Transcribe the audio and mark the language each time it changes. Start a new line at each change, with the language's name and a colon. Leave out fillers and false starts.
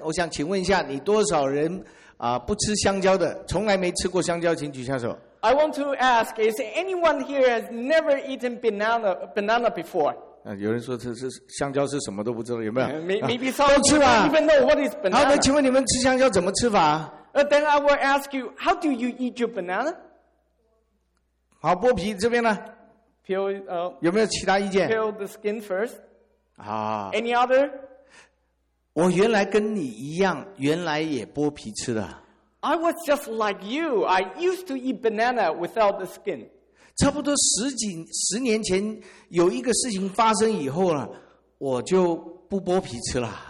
Chinese: 我想请问一下，你多少人啊、不吃香蕉的，从来没吃过香蕉，请举下手。
English: I want to ask, is anyone here has never eaten banana before?
Chinese: 有人说这是香蕉是什么都不知道，有没有？
English: Maybe some people don't even know what is banana.
Chinese: 好的，请问你们吃香蕉怎么吃法？
English: Then I will ask you, how do you eat your banana?
Chinese: 好，剥皮这边呢？
English: Peel,
Chinese: 有没有其他意见？
English: Peel the skin first. 啊。 Any other?
Chinese: 我原来跟你一样，原来也剥皮吃的。
English: I was just like you. I used to eat banana without the skin.
Chinese: 差不多十年前有一个事情发生以后呢，我就不剥皮吃了。